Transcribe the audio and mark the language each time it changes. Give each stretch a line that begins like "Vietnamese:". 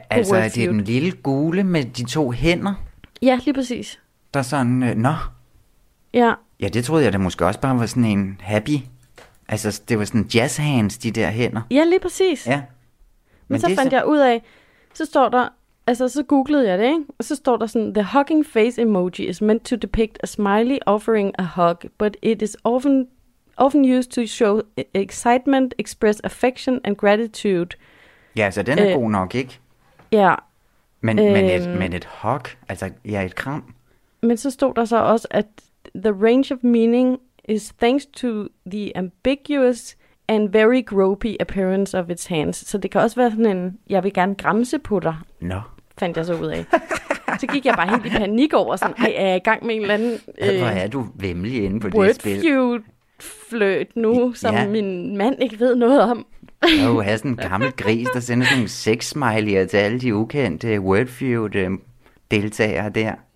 Danish: Altså, er det den lille gule med de to hænder? Ja, lige præcis. Der er sådan, nå. Ja. Ja, det troede jeg da måske også bare var sådan en happy. Altså, det var sådan jazz hands, de der hænder. Ja, lige præcis. Ja. Men så fandt jeg ud af, så står der, altså så googlede jeg det, ikke? Og så står der sådan,
English: the hugging face emoji is meant to depict a smiley offering a hug, but it is often used to show excitement, express affection and gratitude.
Danish: Ja, så den er god nok, ikke? Ja. Men et hug, altså ja, et kram. Men så stod der så også, at
English: the range of meaning is thanks to the ambiguous and very gropy appearance of its hands.
Danish: Så det kan også være sådan en, jeg vil gerne græmse på dig. Nå. Fandt jeg så ud af. Så gik jeg bare helt i panik over sådan, ej, er jeg i gang med en eller anden... Hvor er du vemmelig inde på word det spil? Wordfeud-fløt nu, som min mand ikke ved noget om. Jeg har sådan en gammel gris, der sender sådan en sex-smiley til alle de ukendte Wordfeud-deltagere der.